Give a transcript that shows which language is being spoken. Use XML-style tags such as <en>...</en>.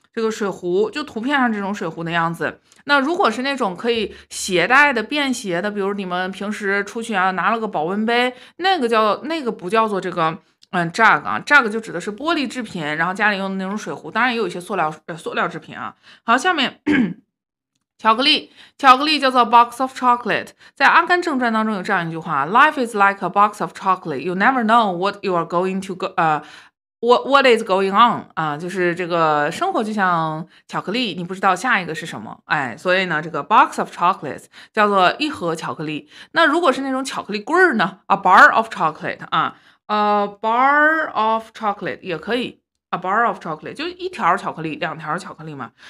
<zh>这个水壶就图片上这种水壶的样子。那如果是那种可以携带的便携的，比如你们平时出去啊拿了个保温杯，那个不叫做这个jug 啊。 jug 就指的是玻璃制品，然后家里用的那种水壶，当然也有一些塑料制品啊。好，下面巧克力叫做</zh> <en>box of chocolate。</en> <zh>在阿甘正传当中有这样一句话，</zh> <en>life is like a box of chocolate， you never know what you are going to What is going on</en> <zh>啊？就是这个生活就像巧克力，你不知道下一个是什么，哎，所以呢，这个</zh> <en>box of chocolates</en> <zh>叫做一盒巧克力。那如果是那种巧克力棍儿呢 ？</zh> <en>A bar of chocolate</en> <zh>啊 ，</zh> <en>a bar of chocolate</en> <zh>也可以 ，a bar of chocolate 就一条巧克力，两条巧克力嘛。</zh>